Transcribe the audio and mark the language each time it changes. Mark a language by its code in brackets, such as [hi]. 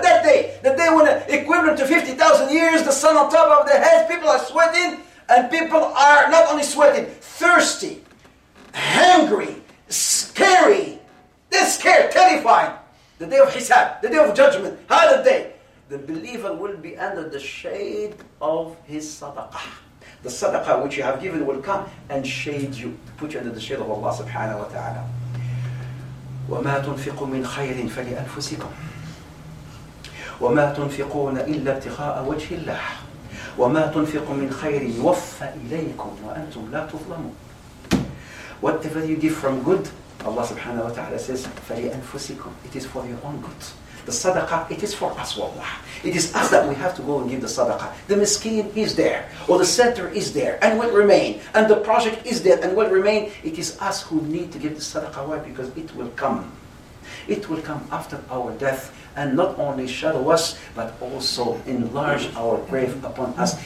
[en] That day, the day when equivalent to 50,000 years, the sun on top of the head, people are sweating, and people are not only sweating, thirsty, hangry, scary. They're scared, terrified. The day of Hisab, the day of judgment, how the day? The believer will be under the shade of his sadaqah. The sadaqah which you have given will come and shade you, put you under the shade of Allah subhanahu wa ta'ala. [ar] وَمَا تُنْفِقُوا مِنْ خَيْرٍ فَلِأَنْفُسِكُمْ وَمَا تُنْفِقُونَ إِلَّا ابْتِغَاءَ وَجْهِ اللَّهِ وَمَا تُنْفِقُوا مِنْ خَيْرٍ يُوَفَّ إِلَيْكُمْ وَأَنْتُمْ لَا تُظْلَمُونَ [en] Whatever you give from good, Allah subhanahu wa ta'ala says, [ar] فَلِأَنْفُسِكُمْ [en] It is for your own good. The sadaqah, it is for us, wallah. It is us that we have to go and give the sadaqah. The miskin is there, or the center is there, and will remain. And the project is there, and will remain. It is us who need to give the sadaqah. Why? Because it will come. It will come after our death, and not only shadow us, but also enlarge our grave upon us.